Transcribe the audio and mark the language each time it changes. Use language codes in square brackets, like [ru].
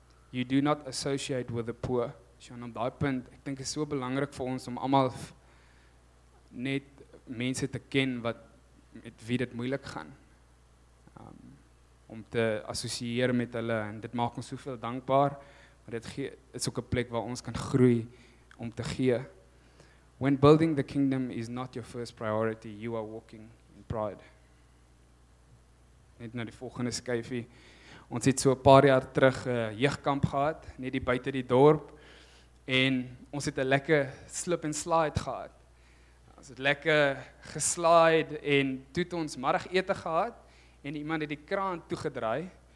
[en] You do not associate with the poor. [af] So on daai punt, ek dink is so belangrik vir ons om almal net mense te ken wat met wie dit moeilik gaan, om te assosieer met hulle, en dit maak ons soveel dankbaar, maar dit is ook 'n plek waar ons kan groei om te gee. [en] When building the kingdom is not your first priority, you are walking in pride. [af] Net na die volgende skyfie, ons het so 'n paar jaar terug jeugkamp gehad, net die buite die dorp, En ons het 'n lekker slip en slide gehad. Ons het lekker geslide en toe het ons middagete gehad en iemand het die kraan toegedraai.